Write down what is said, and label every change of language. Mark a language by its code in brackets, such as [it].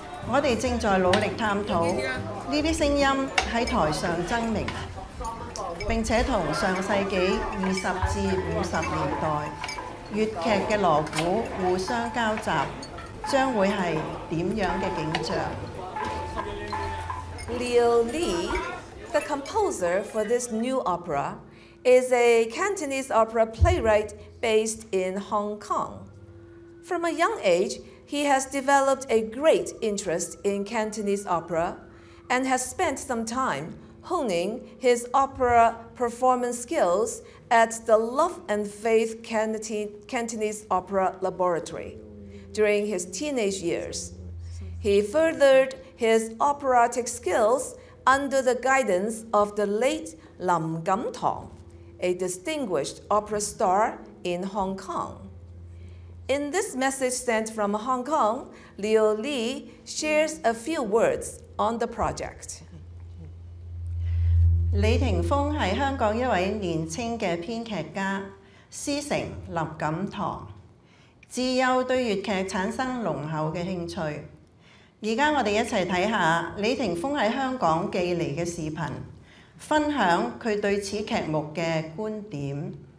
[zh] 我們正在努力探討這些聲音在台上爭鳴，並且與上世紀20至50年代粵劇的鑼鼓互相交集，將會是怎樣的景象。 [en] Liu Li, the composer for this new opera, is a Cantonese opera playwright based in Hong Kong. From a young age,He has developed a great interest in Cantonese opera and has spent some time honing his opera performance skills at the Love and Faith Cantonese Opera Laboratory during his teenage years. He furthered his operatic skills under the guidance of the late Lam Gam Tong, a distinguished opera star in Hong Kong. In this message sent from Hong Kong, Liu Li shares a few words on the project. [zh] 李廷鋒是香港一位年輕的編劇家，師承林錦棠，自幼對粵劇產生濃厚的興趣。現在我們一起看看李廷鋒在香港寄來的視頻，分享他對此劇目的觀點。